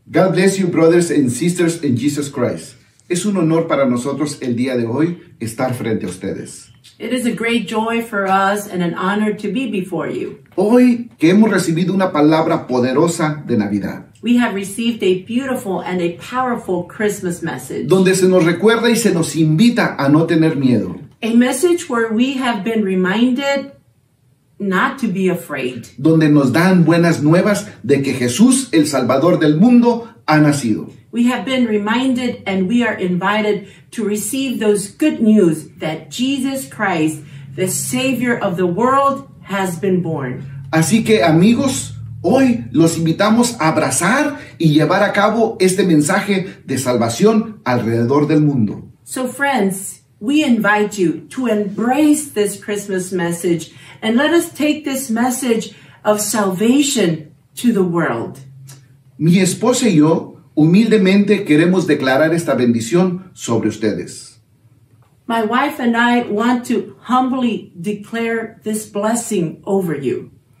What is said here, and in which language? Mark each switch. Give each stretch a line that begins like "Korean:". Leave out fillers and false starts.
English: bless you, brothers and sisters in Jesus Christ.
Spanish: Es un honor para nosotros el día de hoy estar frente a ustedes.
English: It is a great joy for us and an honor to be before you.
Spanish: Hoy que hemos recibido una palabra poderosa de Navidad.
English: We have received a beautiful and a powerful Christmas message.
Spanish: Donde se nos recuerda y se nos invita a no tener miedo.
English: A message where we have been reminded not to be afraid.
Spanish: Donde nos dan buenas nuevas de que Jesús, el Salvador del mundo, ha nacido.
English: We have been reminded and we are invited to receive those good news that Jesus Christ, the Savior of the world, has been born.
Spanish: Así que, amigos, hoy los invitamos a abrazar y llevar a cabo este mensaje de salvación alrededor del mundo.
English: So, friends, we invite you to embrace this Christmas message and let us take this message of salvation to the world.
Spanish: Mi esposa y yo humildemente queremos declarar esta bendición sobre ustedes.
English: My wife and I want to humbly declare this blessing over you.